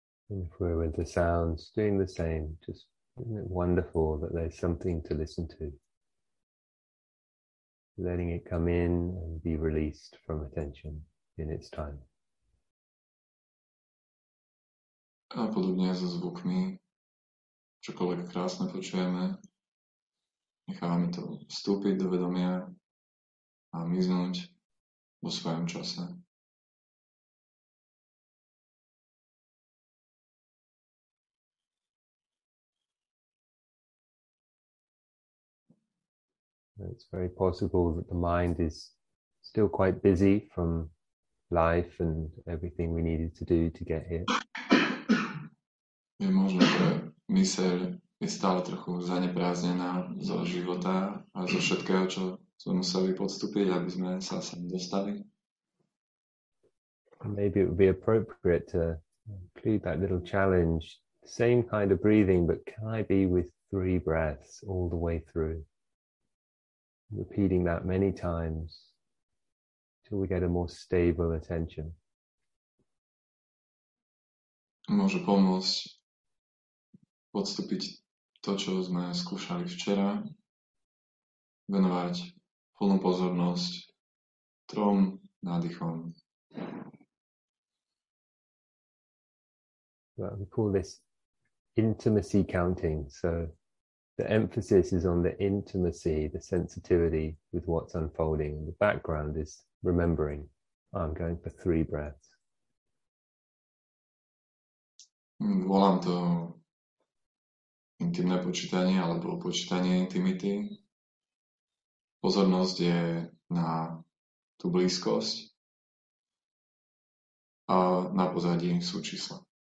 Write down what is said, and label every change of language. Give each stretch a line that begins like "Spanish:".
English: And if we're with the sounds, doing the same, just isn't it wonderful that there's something to listen to? Letting it come in and be released from attention in its time.
Slovak: A podobne so zvukmi, čokoľvek krásne počujeme, nechávame to vstúpiť do vedomia a miznúť vo svojom čase.
English: It's very possible that the mind is still quite busy from life and everything we needed to do to get here.
Slovak: Je možné, že myseľ je stále trochu zaneprázdnená zo života a zo všetkého, čo sme museli podstúpiť, aby sme sa sem dostali.
English: Maybe it would be appropriate to include that little challenge, same kind of breathing, but can I be with three breaths all the way through? Repeating that many times till we get a more stable attention.
Slovak: Môže pomôcť podstúpiť to, čo sme skúšali včera, venovať plnú pozornosť trom nádychom.
English: Well, we call this intimacy counting, so the emphasis is on the intimacy, the sensitivity with what's unfolding. The background is remembering, oh, I'm going for three breaths.
Slovak: Volám to intimné počítanie alebo počítanie intimity. Pozornosť je na tú blízkosť a na pozadí sú čísla.